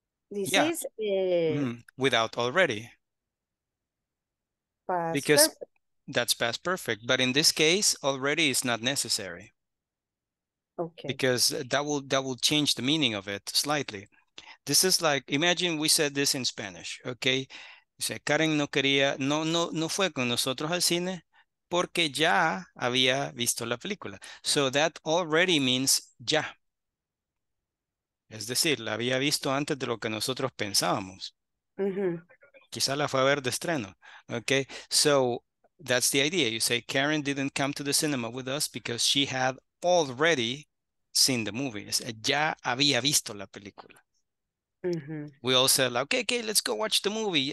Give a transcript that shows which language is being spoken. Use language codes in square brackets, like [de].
[en] Without already. That's past perfect. But in this case, already is not necessary. Okay. Because that will change the meaning of it slightly. This is like, imagine we said this in Spanish, okay? [es] Dice, Karen no quería, no fue con nosotros al cine porque ya había visto la película. [en] So that already means [es] ya. Es decir, la había visto antes de lo que nosotros pensábamos. Quizá la fue a ver de estreno. [en] Okay, so that's the idea. You say, Karen didn't come to the cinema with us because she had already seen the movie. [es] O sea, ya había visto la película. [en] We all said, like, okay, let's go watch the movie.